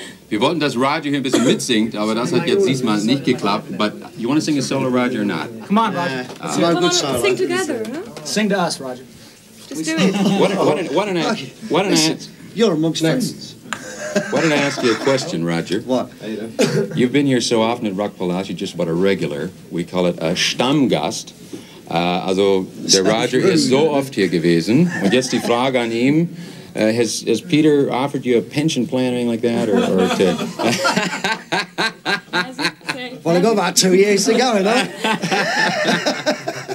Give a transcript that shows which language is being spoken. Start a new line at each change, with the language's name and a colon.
German: Wir wollten, dass Roger hier ein bisschen mitsingt, aber das hat jetzt diesmal nicht geklappt.
English: But you want to sing a solo, Roger, or not? Come on, Roger. Come on, sing together, huh? Sing to us, Roger. Just do it. Why don't I ask... You're amongst friends. Why don't I ask you a question, Roger? What? You've been here so often at Rockpalast, you're just about a regular. We call it a Stammgast.
German: Also, der Roger ist so oft hier gewesen. Und jetzt die Frage an ihm...
English: Has Peter offered you a pension plan or anything like that, or to... Well, I got about 2 years to go, though.